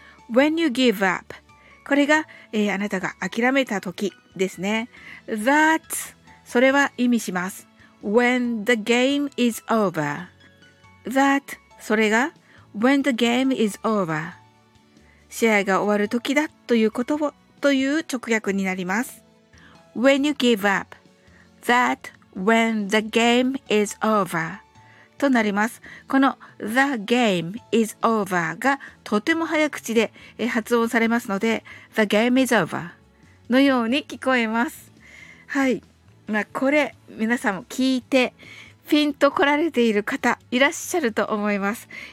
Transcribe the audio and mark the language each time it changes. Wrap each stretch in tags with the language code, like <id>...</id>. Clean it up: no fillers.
<en>When you give up、</en> <ja>これが、あなたが諦めた時ですね。 That、 それは意味します。</ja> <en>When the game is over.</en> <ja>That、 それが</ja> <en>When the game is over、</en> <ja>試合が終わる時だということを、という直訳になります。</ja> <en>When you give up, that when the game is over</en> <ja>となります。この</ja> <en>The game is over</en> <ja>がとても早口で発音されますので、 The game is over のように聞こえます。はい、まあ、これ皆さんも聞いてピンと来られている方いらっしゃると思います。</ja>